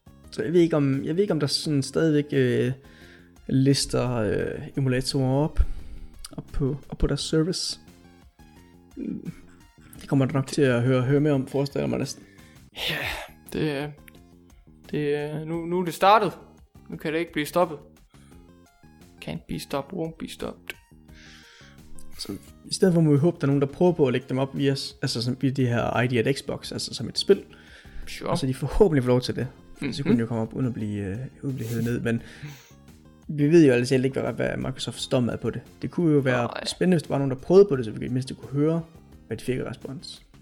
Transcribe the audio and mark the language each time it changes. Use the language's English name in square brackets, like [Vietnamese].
[Danish] Så jeg ved ikke om der sådan stadigvæk lister emulatorer op på deres service. Det kommer du nok til at høre mere om, forestiller mig næsten. Ja, det. Det nu er det startet. Nu kan det ikke blive stoppet. [English] Can't be stopped, won't be stopped. [Danish] Så i stedet for må vi håbe, der er nogen, der prøver på at lægge dem op via, altså som via de her ID at Xbox, altså som et spil. [English] Sure. [Danish] Så de forhåbentlig får lov til det. Så kunne de jo komme op uden at blive hævet ned. Men vi ved jo altså ikke, hvad Microsoft står med på det. Det kunne jo være spændende, hvis der var nogen, der prøvede på det, så vi i mindste kunne høre, hvad de fik i respons.